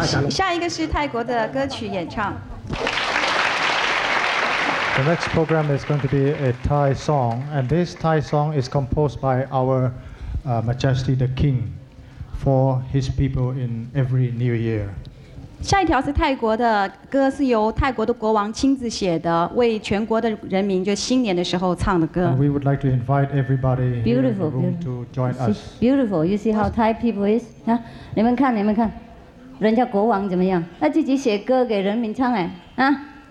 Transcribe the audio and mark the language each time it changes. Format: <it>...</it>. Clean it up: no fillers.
<zh>下一个是泰国的歌曲演唱。</zh> <en>The next program is going to be a Thai song, and this Thai song is composed by our Majesty the King for his people in every New Year.</en> <zh>下一条是泰国的歌，是由泰国的国王亲自写的，为全国的人民就新年的时候唱的歌。</zh> <en>And we would like to invite everybody beautiful, in the room to join us. Beautiful, you see how Thai people is?</en> <zh>啊，你们看，你们看，人家国王怎么样？他自己写歌给人民唱，哎，啊。</zh>